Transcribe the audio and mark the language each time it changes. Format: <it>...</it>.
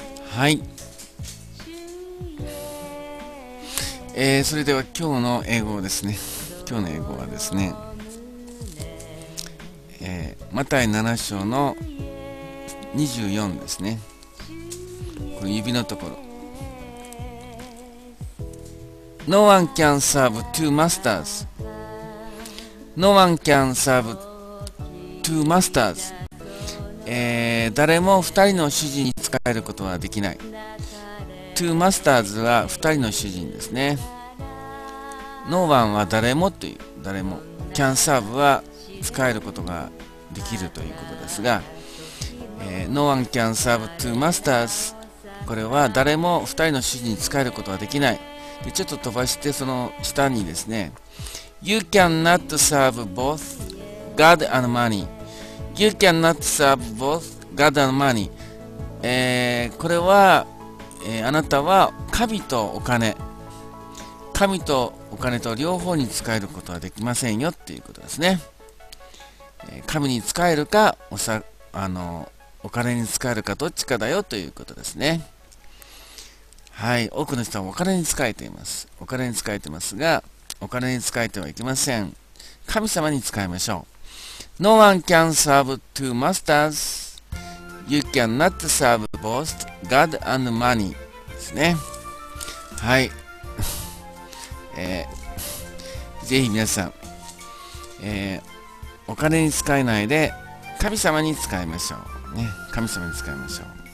<ja>はい、それでは今日の英語ですね。今日の英語はですね、マタイ7章の24ですね。この指のところ、</ja> <en>No one can serve two masters. No one can serve two masters.</en> <ja>誰も2人の主人に仕えることはできない。</ja> <en>Two masters</en> <ja>は2人の主人ですね。</ja> <en>No one</en> <ja>は誰もという、誰も、</ja> <en>Can serve</en> <ja>は仕えることができるということですが、</ja> <en>No one can serve two masters。</en> <ja>これは誰も2人の主人に仕えることはできない。でちょっと飛ばしてその下にですね、</ja> <en>You cannot serve both God and money。 You cannot serve both God and money、</en> <ja>これは、あなたは神とお金、神とお金と両方に仕えることはできませんよっていうことですね。神に使えるか、お金に使えるか、どっちかだよということですね。はい、多くの人はお金に使えています。お金に使えていますが、お金に使えてはいけません。神様に使いましょう。</ja> <en>No one can serve two masters. You cannot serve both God and money</en> <ja>ですね。はい、ぜひ皆さん、お金に使えないで神様に使いましょう、ね、神様に使いましょう。</ja>